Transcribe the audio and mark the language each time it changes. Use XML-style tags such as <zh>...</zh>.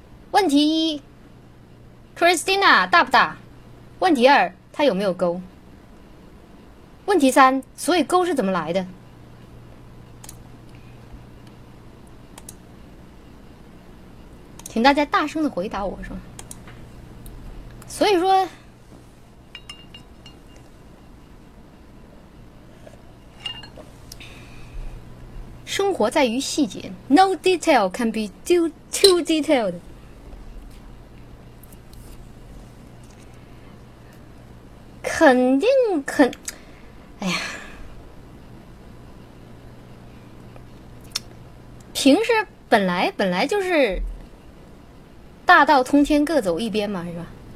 <zh>问题一 ，Christina 大不大？问题二，他有没有勾？问题三，所以勾是怎么来的？请大家大声的回答我说。所以说，生活在于细节</zh> <en>，No detail can be too detailed。</en> <zh>肯定肯，哎呀，平时本来就是大道通天，各走一边嘛，是吧？</zh>